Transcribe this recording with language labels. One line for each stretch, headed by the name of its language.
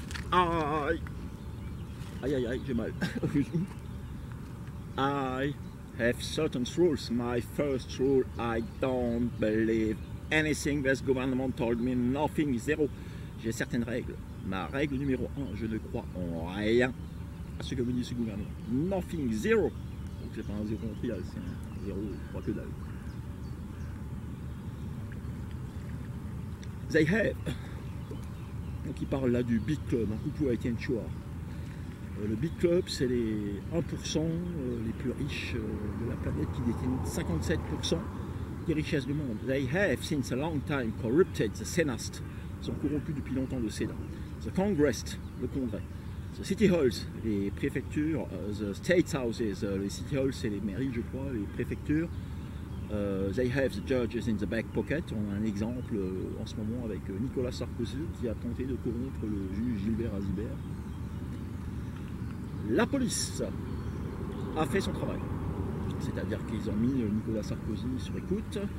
French: Aïe, j'ai mal.
English: I have certain rules. My first rule, I don't believe anything this government told me, nothing, zero.
French: J'ai certaines règles. Ma règle numéro 1, je ne crois en rien à ce que me dit ce gouvernement.
English: Nothing, zero.
French: Donc c'est pas un zéro en trial, c'est un zéro, je crois que dalle.
English: They have.
French: Donc il parle là du Big Club, un coucou à Etienne Chouard. Le Big Club, c'est les 1% les plus riches de la planète qui détiennent 57% des richesses du monde.
English: They have, since a long time, corrupted the Senate.
French: Ils sont corrompus depuis longtemps le Sénat.
English: The Congress,
French: le Congrès.
English: The City Halls,
French: les préfectures.
English: The State Houses,
French: les City Halls, c'est les mairies, je crois, les préfectures.
English: They have the judges in the back pocket.
French: On a un exemple en ce moment avec Nicolas Sarkozy qui a tenté de corrompre le juge Gilbert Azibert. La police a fait son travail. C'est-à-dire qu'ils ont mis Nicolas Sarkozy sur écoute.